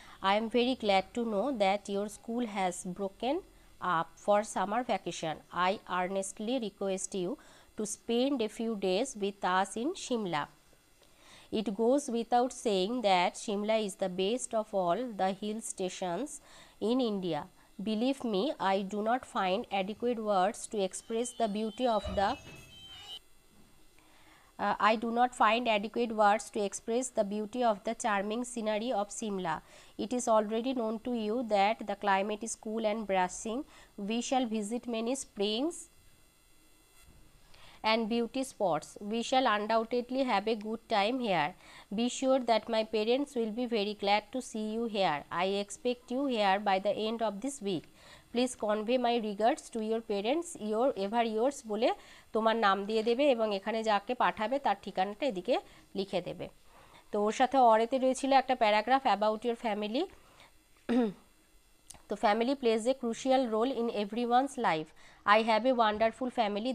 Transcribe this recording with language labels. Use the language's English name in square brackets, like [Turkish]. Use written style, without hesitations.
[English] I am very glad to know that your school has broken up for summer vacation, I earnestly request you to spend a few days with us in Shimla, it goes without saying that Shimla is the best of all the hill stations in India, believe me I do not find adequate words to express the beauty of the I do not find adequate words to express the beauty of the charming scenery of Shimla. It is already known to you that the climate is cool and bracing. We shall visit many springs and beauty spots. We shall undoubtedly have a good time here. Be sure that my parents will be very glad to see you here. I expect you here by the end of this week. Please convey my regards to your parents. Your ever yours [Bangla] বলে তোমার নাম দিয়ে দেবে এবং এখানে যাকে পাঠাবে তার ঠিকানাটা এদিকে লিখে দেবে। তো ওর সাথে অরেতে রয়েছিল একটা প্যারাগ্রাফ [English] About your family. তো family plays a crucial role in every one's life. I have a wonderful family.